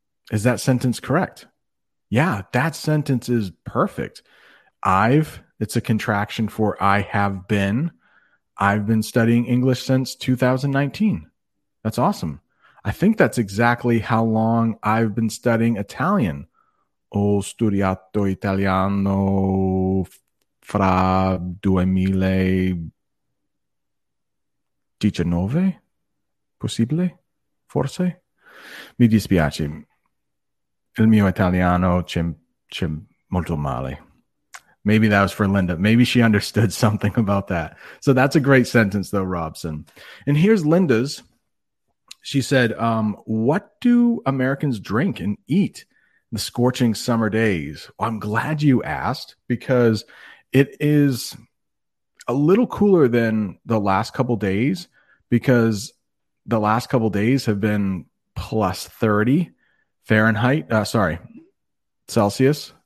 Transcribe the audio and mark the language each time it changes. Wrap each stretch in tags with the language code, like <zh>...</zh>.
<en>Is that sentence correct? Yeah, that sentence is perfect. It's a contraction for I have been. I've been studying English since 2019. That's awesome. I think that's exactly how long I've been studying Italian.</en> <it>Ho studiato italiano fra 2019, possibile, forse. Mi dispiace, il mio italiano c'è molto male.</it> <en>Maybe that was for Linda. Maybe she understood something about that. So that's a great sentence though, Robson. And here's Linda's. She said, what do Americans drink and eat in the scorching summer days? Well, I'm glad you asked, because it is a little cooler than the last couple days, because the last couple days have been plus 30 Fahrenheit, Celsius.</en>